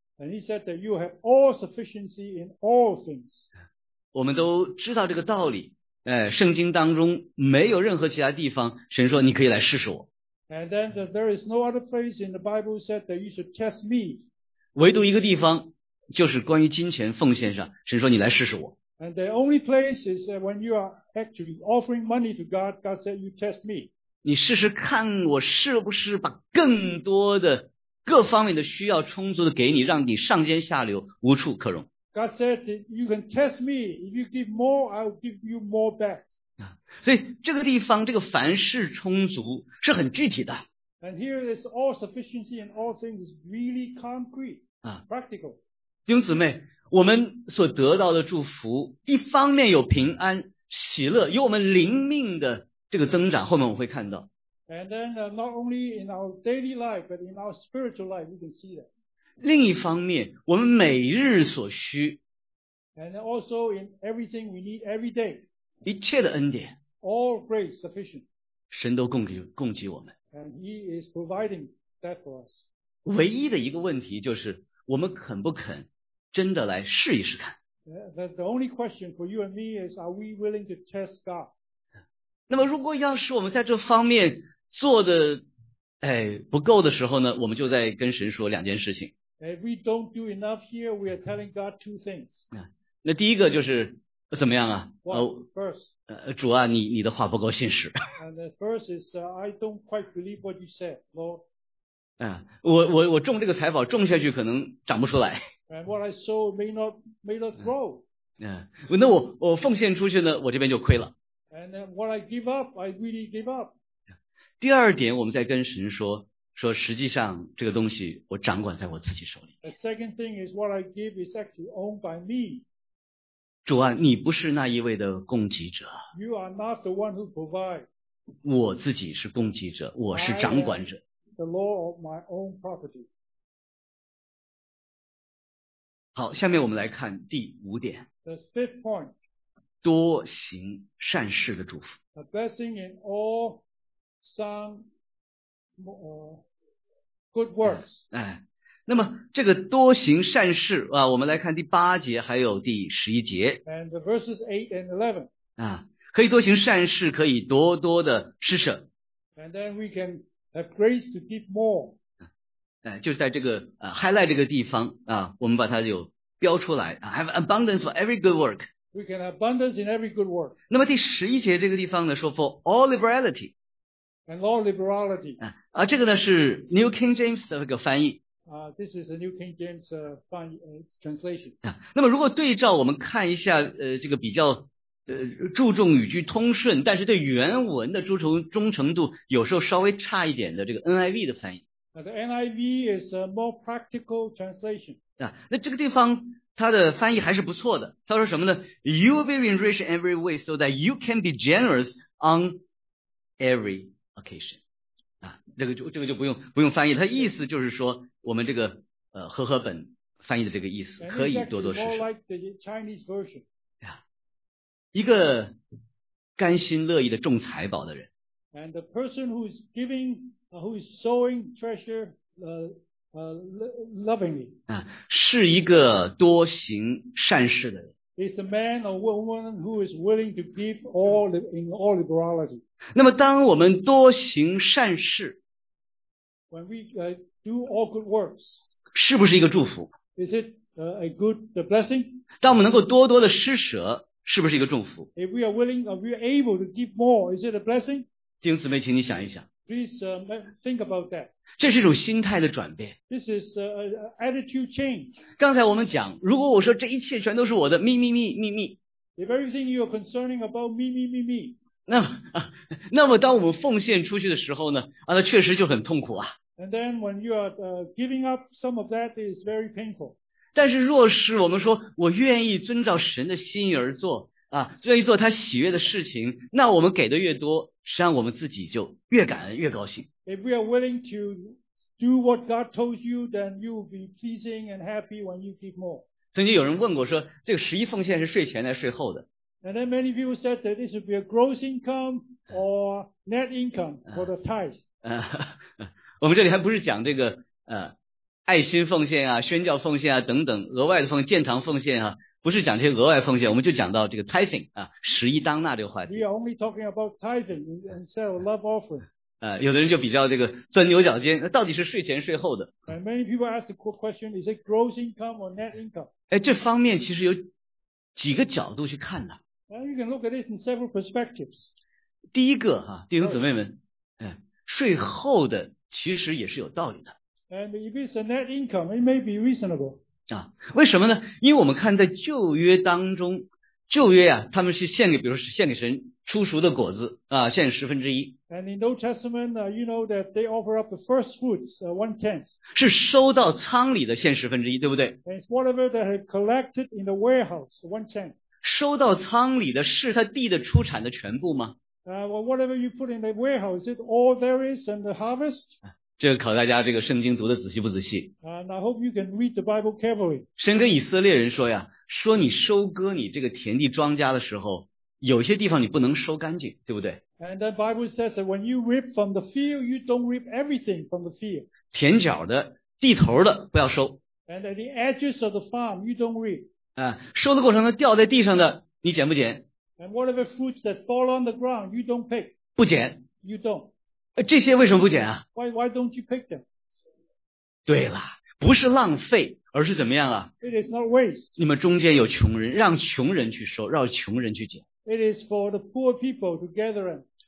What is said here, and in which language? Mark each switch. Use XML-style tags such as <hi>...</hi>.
<en>And he said that you have all sufficiency in all things.</en> <zh>我们都知道这个道理，圣经当中没有任何其他地方神说你可以来试试我。</zh> <en>And then there is no other place in the Bible said that you should test me.</en> <zh>唯独一个地方就是关于金钱奉献上，神说你来试试我。</zh> <en>And the only place is that when you are actually offering money to God, God said you test me.</en> <zh>你试试看我是不是把更多的各方面的需要充足的给你，让你上尖下流，无处可容。</zh> <en>God said that you can test me. If you give more, I will give you more back.</en> <zh>所以这个地方，这个凡事充足是很具体的。</zh> <en>And here is all sufficiency and all things is really concrete, practical.</en> <zh>弟兄姊妹，我们所得到的祝福，一方面有平安、喜乐，有我们灵命的这个增长，后面我会看到。</zh> <en>And then, not only in our daily life, but in our spiritual life, we can see that.</en> <zh>另一方面，我们每日所需。</zh> <en>And also in everything we need every day.</en> <zh>一切的恩典。</zh> <en>All grace sufficient.</en> <zh>神都供给我们。</zh> <en>And he is providing that for us.</en> <zh>唯一的一个问题就是，我们肯不肯真的来试一试看。</zh> <en>The only question for you and me is, are we willing to test God?</en> <zh>那么如果要是我们在这方面做的不够的时候呢，我们就在跟神说两件事情。</zh> <en>If we don't do enough here, we are telling God two things.</en> <zh>那第一个就是怎么样啊？</zh> <en>First,</en> <zh>主啊，你的话不够信实。</zh> <en>And the first is, I don't quite believe what you said, Lord.</en> <zh>我种这个财宝种下去可能长不出来。</zh> <en>And what I sow may not grow.</en> <zh>那我奉献出去呢，我这边就亏了。</zh> <en>And what I give up, I really give up.</en> <zh>第二点，我们在跟神说，说实际上这个东西我掌管在我自己手里。</zh> <en>The second thing is what I give is actually owned by me.</en> <zh>主啊，你不是那一位的供给者。</zh> <en>You are not the one who provides.</en> <zh>我自己是供给者，我是掌管者。</zh> <en>I am the lord of my own property.</en> <zh>好，下面我们来看第五点。</zh> <en>The fifth point,</en> <zh>多行善事的祝福。</zh> <en>A blessing in all some good works.</en> <zh>那么这个多行善事啊，我们来看第八节还有第十一节。</zh> <en>And the verses 8 and 11.</en> <zh>可以多行善事，可以多多的施舍。</zh> <en>And then we can have grace to give more.</en> <zh>就是在这个highlight 这个地方啊，我们把它有标出来。</zh> <en>Have abundance for every good work. We can have abundance in every good work.</en> <zh>那么第十一节这个地方呢，说</zh> <en>for all liberality. And all liberality.</en> <zh>这个呢是 New King James 的一个翻译。</zh> <en>This is a New King James translation.</en> <zh>那么如果对照我们看一下这个比较注重语句通顺，但是对原文的忠诚度有时候稍微差一点的这个 NIV 的翻译。</zh> <en>The NIV is a more practical translation.</en> <zh>那这个地方它的翻译还是不错的。他说什么呢？</zh> <en>You will be enriched in every way so that you can be generous on every occasion.</en> <zh>这个就不用翻译。他意思就是说我们这个和合本翻译的这个意思可以多多施舍。</zh> <en>It's more like the Chinese version.</en> <zh>一个甘心乐意的种财宝的人。</zh> <en>And the person who is giving,who is sowing treasure lovingly.</en> <zh>是一个多行善事的人。</zh> <en>Is a man or woman who is willing to give all in all liberality.</en> <zh>那么当我们多行善事</zh> <en>When we do all good works,</en> <zh>是不是一个祝福</zh> <en>Is it a good blessing?</en> <zh>当我们能够多多的施舍是不是一个祝福</zh> <en>If we are willing, are we able to give more, is it a blessing?</en> <zh>弟兄姊妹请你想一想</zh> <en>Please think about that.</en> <zh>这是一种心态的转变。</zh> <en>This is an attitude change.</en> <zh>刚才我们讲，如果我说这一切全都是我的，</zh> <en>me, me, me, me, me. If everything you are concerning about me, me, me, me.</en> <zh>那么当我们奉献出去的时候呢，那确实就很痛苦啊。</zh> <en>And then when you are giving up some of that, it is very painful.</en> <zh>但是若是我们说，我愿意遵照神的心意而做，愿意做他喜悦的事情，那我们给的越多，实际上我们自己就越感恩越高兴。</zh> <en>If we are willing to do what God told you, then you will be pleasing and happy when you give more.</en> <zh>曾经有人问过说，这个十一奉献是税前的税后的</zh> <en>？And then many people said that this would be a gross income or net income for the tithe.</en> <zh>我们这里还不是讲这个爱心奉献啊、宣教奉献啊等等额外的奉献、建堂奉献啊。不是讲这些额外奉献，我们就讲到这个 tithing 啊，十一当纳这个话题。</zh> <en>We are only talking about tithing instead of love offering.</en> <zh>有的人就比较这个钻牛角尖，到底是税前税后的</zh> <en>？And many people ask the question: Is it gross income or net income?</en> <zh>这方面其实有几个角度去看的。</zh> <en>And you can look at it in several perspectives.</en> <zh>第一个哈，弟兄姊妹们，税后的其实也是有道理的。</zh> <en>And if it's a net income, it may be reasonable.</en> <zh>为什么呢？因为我们看在旧约当中，旧约啊，他们是献给，比如说献给神初熟的果子啊，献十分之一。</zh> <en>And in Old Testament, you know that they offer up the first fruits, one tenth.</en> <zh>是收到仓里的献十分之一，对不对</zh> <en>？It's whatever they have collected in the warehouse, one tenth.</en> <zh>收到仓里的是他地的出产的全部吗</zh> <en>？Well, whatever you put in the warehouse, is it all there is and the harvest?</en> <zh>这个考大家这个圣经读的仔细不仔细。</zh> <en>And I hope you can read the Bible carefully.</en> <zh>神跟以色列人说呀，说你收割你这个田地庄稼的时候，有些地方你不能收干净，对不对</zh> <en>？And the Bible says that when you reap from the field, you don't reap everything from the field.</en> <zh>田角的、地头的不要收。</zh> <en>And at the edges of the farm, you don't reap.</en> <zh>收的过程中掉在地上的你捡不捡</zh> <en>？And whatever fruits that fall on the ground, you don't pick.</en> <zh>不捡。</zh> <en>You don't.</en> <zh>这些为什么不捡啊</zh> <en>why don't you pick them?</en> <zh>对了不是浪费而是怎么样啊</zh> <en>It is not waste.</en> <zh>你们中间有穷人让穷人去收让穷人去捡</zh> <en>It is for the poor people to gather them.</en>